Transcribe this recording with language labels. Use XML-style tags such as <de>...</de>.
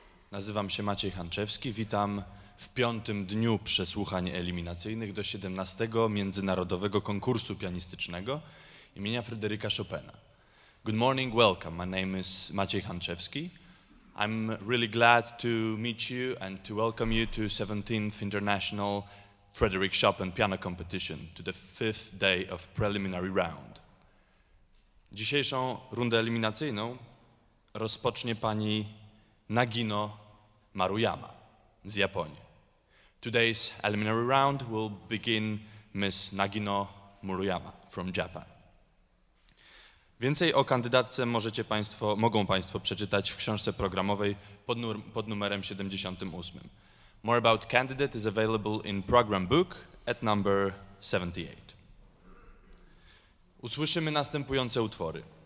<pl>Nazywam się Maciej Hanczewski. Witam w piątym dniu przesłuchań eliminacyjnych do 17. Międzynarodowego Konkursu Pianistycznego imienia Fryderyka Chopina.</pl> <en>Good morning, welcome. My name is Maciej Hanczewski. I'm really glad to meet you and to welcome you to 17th International Frederic Chopin Piano Competition, to the fifth day of preliminary round.</en> <pl>Dzisiejszą rundę eliminacyjną rozpocznie pani Nagino Maruyama z Japonii.</pl> <en>Today's eliminatory round will begin Miss Nagino Maruyama from Japan.</en> <pl>Więcej o kandydatce mogą Państwo przeczytać w książce programowej pod numerem 78.</pl> <en>More about candidate is available in program book at number 78.</en> <pl>Usłyszymy następujące utwory.</pl>